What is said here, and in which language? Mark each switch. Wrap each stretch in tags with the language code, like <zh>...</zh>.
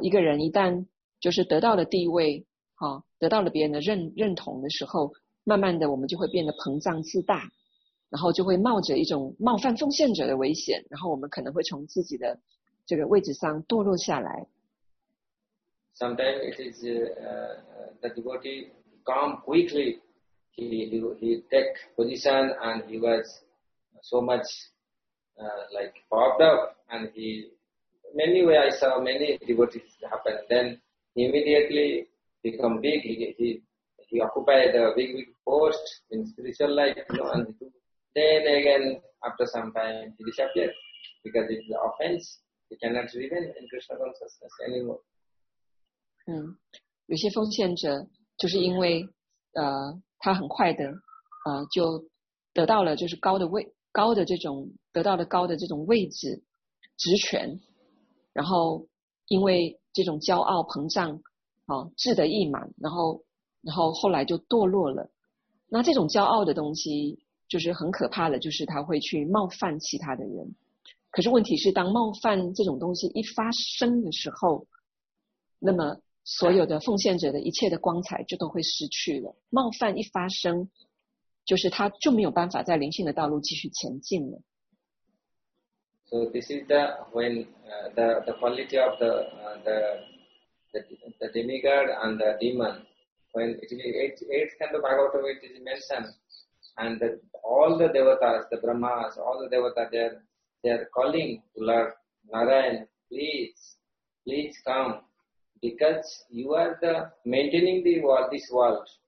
<zh>一个人一旦就是得到了地位啊，得到了别人的认同的时候，慢慢的我们就会变得膨胀自大，然后就会冒着一种冒犯奉献者的危险，然后我们可能会从自己的这个位置上堕落下来。</zh> <en>Sometimes it is the devotee come quickly, he take position and he was so much like popped up, and he many way I saw many devotees happen. Then he immediately become big. He occupied a big post in spiritual life, you know, and then again after some time he disappeared because it is an offense. He cannot live in Krishna consciousness anymore.</en> <zh>有些奉献者就是因为他很快的就得到了就是高的位。高的这种得到的高的这种位置职权，然后因为这种骄傲膨胀志得意满，然后后来就堕落了。那这种骄傲的东西就是很可怕的，就是他会去冒犯其他的人。可是问题是当冒犯这种东西一发生的时候，那么所有的奉献者的一切的光彩就都会失去了。冒犯一发生，就是他就没有办法在灵性的道路继续前进了。</zh> <en>So this is the when the quality of the demigod and the demon, when it is eighth kind of Bhagavata it is mentioned, and all the devatas, the brahmas, all the devatas, they are calling to Lord Narayan, please come, because you are the maintaining the world, this world,</en>